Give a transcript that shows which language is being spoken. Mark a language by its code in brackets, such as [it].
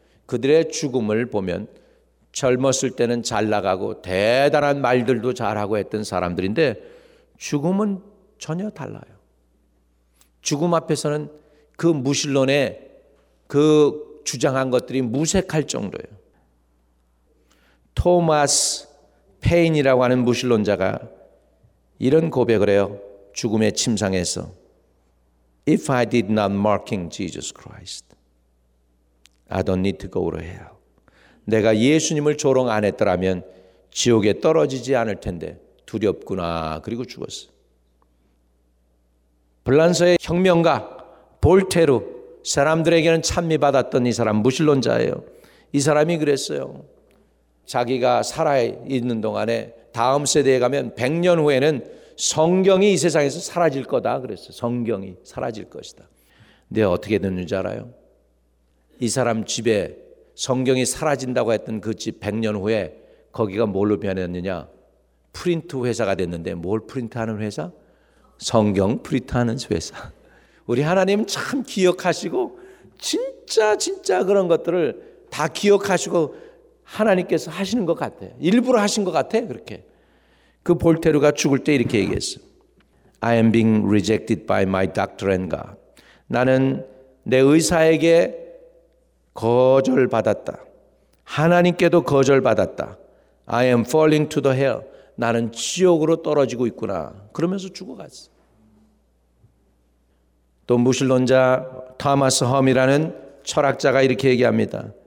[ko] 그들의 죽음을 보면 젊었을 때는 잘 나가고 대단한 말들도 잘하고 했던 사람들인데 죽음은 전혀 달라요. 죽음 앞에서는 그 무신론의 그 주장한 것들이 무색할 정도예요. 토마스 페인이라고 하는 무신론자가 이런 고백을 해요. 죽음의 침상에서 [en] If I did not marking Jesus Christ, I don't need to go to hell. [ko] 내가 예수님을 조롱 안 했더라면 지옥에 떨어지지 않을 텐데 두렵구나. 그리고 죽었어. 불란서의 혁명가 볼테르, 사람들에게는 찬미받았던 이 사람 무신론자예요. 이 사람이 그랬어요. 자기가 살아있는 동안에 다음 세대에 가면 100년 후에는 성경이 이 세상에서 사라질 거다 그랬어요. 성경이 사라질 것이다. 근데 어떻게 됐는지 알아요? 이 사람 집에 성경이 사라진다고 했던 그 집 100년 후에 거기가 뭘로 변했느냐? 프린트 회사가 됐는데 뭘 프린트하는 회사? 성경 프린트하는 회사. 우리 하나님 참 기억하시고 진짜 그런 것들을 다 기억하시고 하나님께서 하시는 것 같아. 일부러 하신 것 같아. 그렇게 그 볼테르가 죽을 때 이렇게 얘기했어. [en] I am being rejected by my doctor and God. [ko] 나는 내 의사에게 거절받았다. 하나님께도 거절받았다. [en] I am falling to the hell. [ko] 나는 지옥으로 떨어지고 있구나. 그러면서 죽어갔어. 또 무신론자 토마스 험이라는 철학자가 이렇게 얘기합니다.